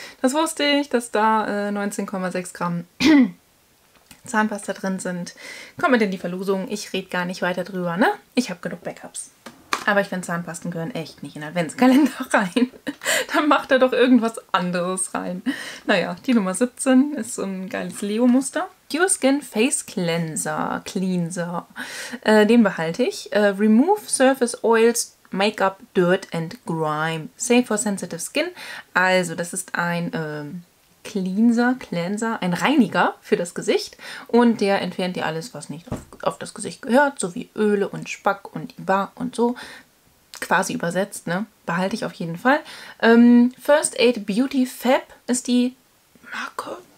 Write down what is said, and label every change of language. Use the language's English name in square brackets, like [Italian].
[German] Das wusste ich, dass da 19,6 Gramm Zahnpasta drin sind. Kommt mit in die Verlosung. Ich rede gar nicht weiter drüber, ne? Ich habe genug Backups. Aber ich finde, Zahnpasten gehören echt nicht in den Adventskalender rein. Dann macht er doch irgendwas anderes rein. Naja, die Nummer 17 ist so ein geiles Leo-Muster. Pure Skin Face Cleanser. Den behalte ich. [English] Remove Surface Oils, Make-up, Dirt and Grime. Safe for Sensitive Skin. [German] Also, das ist ein Cleanser, ein Reiniger für das Gesicht. Und der entfernt dir alles, was nicht auf das Gesicht gehört, so wie Öle und Spack und Iba und so. Quasi übersetzt, ne? Behalte ich auf jeden Fall. First Aid Beauty Fab ist die Marke.